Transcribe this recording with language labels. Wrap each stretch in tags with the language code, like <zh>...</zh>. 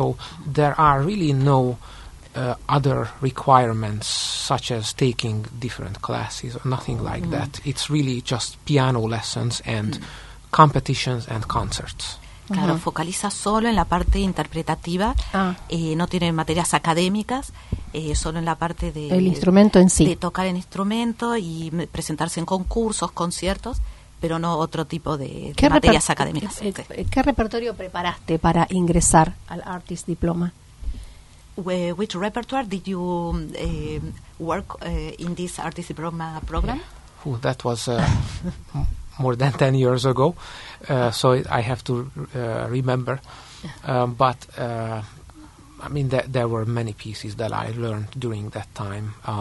<en>So there are really no other requirements, such as taking different classes or nothing like that. It's really just piano lessons and competitions and concerts.</en> <es>Claro, focaliza solo en la parte interpretativa, no tiene materias académicas, solo en la parte de el instrumento en sí, de tocar el instrumento y presentarse en concursos, conciertos, pero no otro tipo de materias académicas. ¿Qué repertorio preparaste para ingresar al Artist Diploma?</es> <en>Which repertoire did you work in this Artist Diploma program? Ooh, that was more than 10 years ago, so I have to remember. I mean, there were many pieces that I learned during that time.</en>